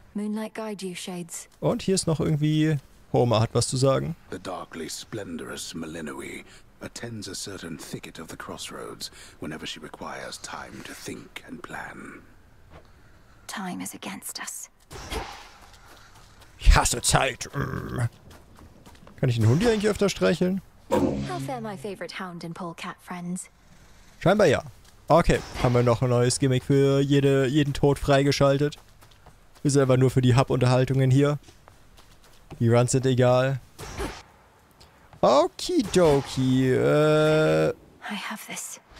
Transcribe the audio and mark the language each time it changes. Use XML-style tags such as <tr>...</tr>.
<en>Moonlight guide you, Shades.</en> <de>Und hier ist noch irgendwie. Homer hat was zu sagen.</de> <en>The darkly splendorous Melinoe attends a certain thicket of the crossroads whenever she requires time to think and plan. Time is against us.</en> <de>Ich hasse Zeit. Kann ich den Hund hier eigentlich öfter streicheln? How fair my favorite hound and polecat friends? Scheinbar ja. Okay, haben wir noch ein neues Gimmick für jeden Tod freigeschaltet. Ist aber nur für die Hub-Unterhaltungen hier. Die Runs sind egal. Okidoki,</de> <en>I have this.</en>